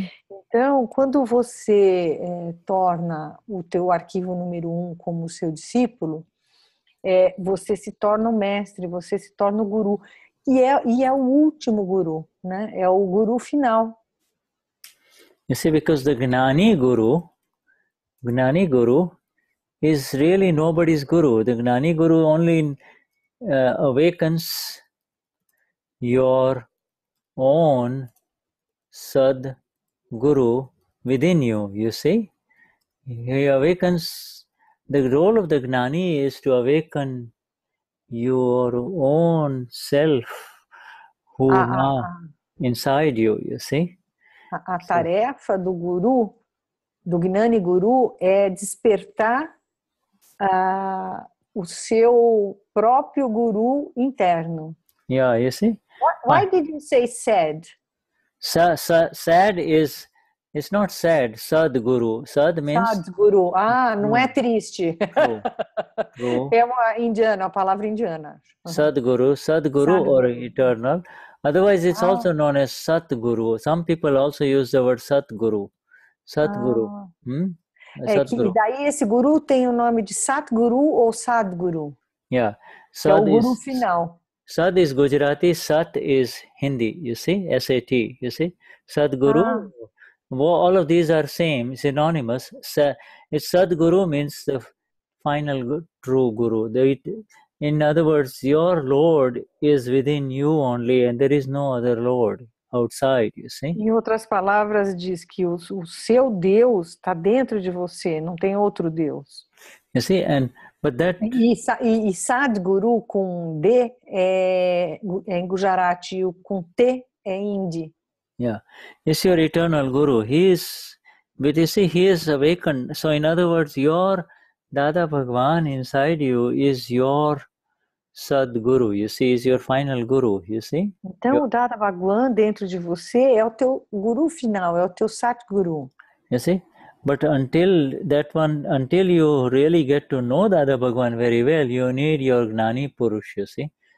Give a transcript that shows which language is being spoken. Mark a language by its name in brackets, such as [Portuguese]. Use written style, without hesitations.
[Portuguese] Então, quando você torna o teu arquivo número um como seu discípulo, você se torna o mestre, você se torna o guru. E é o último guru, né? É o guru final. [English] You see, because the Gnani Guru, is really nobody's guru. The Gnani Guru only awakens your own Sad Guru within you, you see? He awakens, the role of the Gnani is to awaken your own self inside you, you see? [Portuguese] A tarefa do Guru, do Gnani Guru, é despertar o seu próprio guru interno. [English] Yeah, you see? Why did you say sad? Sad is, it's not sad, sad guru. Sad means... [Portuguese] Sad guru. Ah, não é triste. [English] True. [Portuguese] É uma indiana, a palavra indiana. [English] Sad guru or eternal. Otherwise, it's also known as sat guru. Some people also use the word sat guru. Sat guru. [Portuguese] Que daí esse guru tem o nome de Satguru ou Sadguru? [English] Yeah. [Portuguese] Sad é o guru final. [English] Sad is Gujarati, Sat is Hindi, you see? S-A-T, you see? Sadguru, all of these are same, it's synonymous. Sadguru means the final true guru. In other words, your Lord is within you only and there is no other Lord outside, you see? [Portuguese] Em outras palavras, diz que o seu Deus está dentro de você, não tem outro Deus. [English] You see, and but that. [Portuguese] E Sadguru com D é em Gujarati, e com T é Hindi. [English] Yeah. It's your eternal guru. He is awakened. So, in other words, your Dada Bhagwan inside you is your Sadguru, you see, is your final guru, you see? [Portuguese] Então, o Dada Bhagwan dentro de você é o teu guru final, é o teu Satguru. [English] You see? But until that one, until you really get to know Dada Bhagwan very well, you need your Gnani Purush, you see?